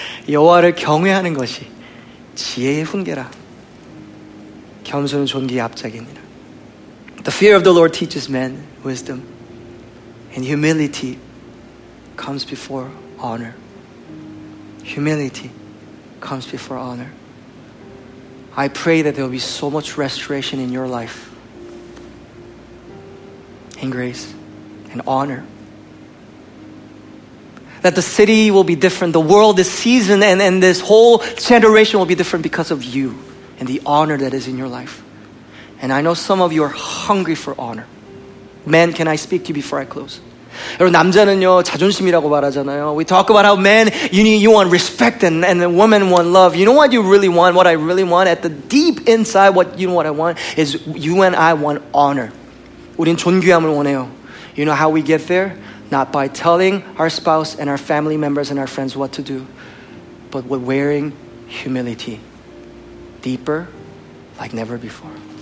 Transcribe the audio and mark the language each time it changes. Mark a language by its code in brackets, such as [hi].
[ko] 여호와를 경외하는 것이 지혜의 훈계라. 겸손은 존귀의 앞작이니라. [en] The fear of the Lord teaches men wisdom. And humility comes before honor. Humility comes before honor. I pray that there will be so much restoration in your life, in grace and honor. That the city will be different, the world, this season, and this whole generation will be different because of you and the honor that is in your life. And I know some of you are hungry for honor. Men, can I speak to you before I close? [ko] 여러분, 남자는요 자존심이라고 말하잖아요. [en] We talk about how men you want respect and women want love. You know what you really want? What I really want at the deep inside, what you know what I want is you and I want honor. [ko] 우린 존귀함을 원해요. [en] You know how we get there? Not by telling our spouse and our family members and our friends what to do, but with wearing humility deeper like never before.